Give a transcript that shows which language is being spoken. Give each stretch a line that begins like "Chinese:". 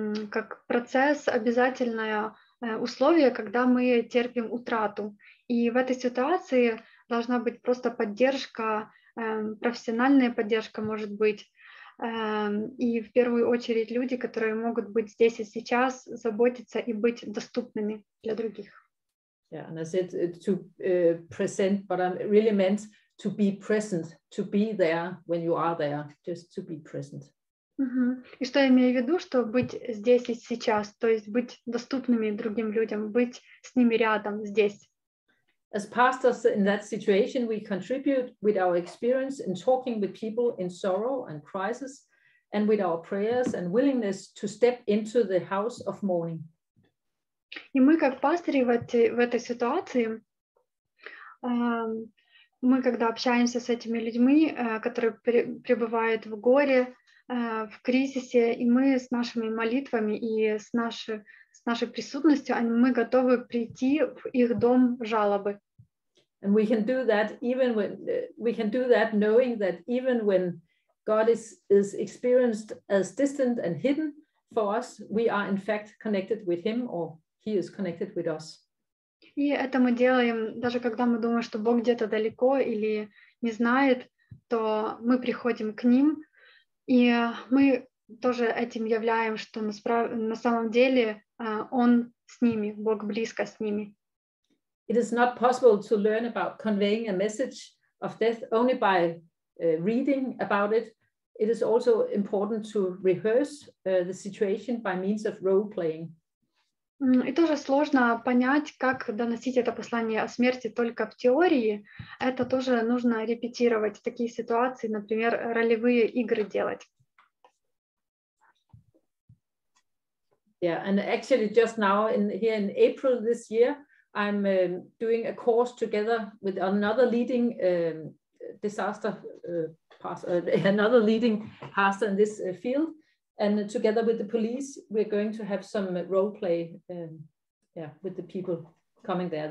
Russian: Как процесс, обязательное условие, когда мы терпим утрату. И в этой ситуации должна быть просто поддержка, профессиональная поддержка, может быть, и в первую очередь люди, которые могут быть здесь и сейчас, заботиться и быть доступными для других.
English: Yeah, and I said to present, but I really meant to be present, to be there when you are there, just to be present.
Russian: И что я имею в виду, что быть здесь и сейчас, то есть быть доступными другим людям, быть с ними рядом здесь.
English: As pastors in that situation, we contribute with our experience in talking with people in sorrow and crisis, and with our prayers and willingness to step into the house of mourning.
Russian: И мы как пастыри в этой ситуации, мы когда общаемся с этими людьми, которые пребывают в горе, в кризисе, и мы с нашими молитвами и с нашей присутностью, мы готовы прийти в их дом жалобы.
English: And we can do that even when we can do that knowing that even when God is experienced as distant and hidden for us, we are in fact connected with him or he is connected with us.
Russian: И это мы делаем, даже когда мы думаем, что Бог где-то далеко или не знает, то мы приходим к ним, и мы тоже этим являем, что на самом деле он с ними, Бог близко с ними.
English: It is not possible to learn about conveying a message of death only by reading about it. It is also important to rehearse the situation by means of role playing.
Russian: И тоже сложно понять, как доносить это послание о смерти только в теории. Это тоже нужно репетировать такие ситуации, например, ролевые игры делать.
English: Yeah, and actually just now in here in April this year, I'm doing a course together with another leading pastor in this field. And together with the police, we're going to have some role play with the people coming there.